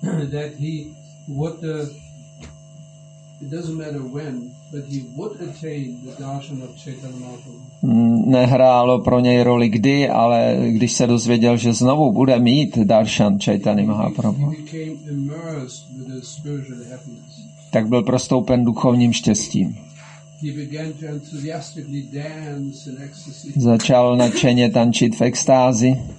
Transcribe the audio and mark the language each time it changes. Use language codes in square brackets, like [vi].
[en] that he would, it doesn't matter when, but he would attain the darshan of Chaitanya Mahaprabhu. [cs] Nehrálo pro něj roli kdy, ale když se dozvěděl, že znovu bude mít darshan Chaitanya Mahaprabhu, [en] he became immersed with the spiritual happiness. [cs] Tak byl prostoupen duchovním štěstím. [en] He began to enthusiastically dance in ecstasy. [cs] Začal nadšeně tančit v extázi.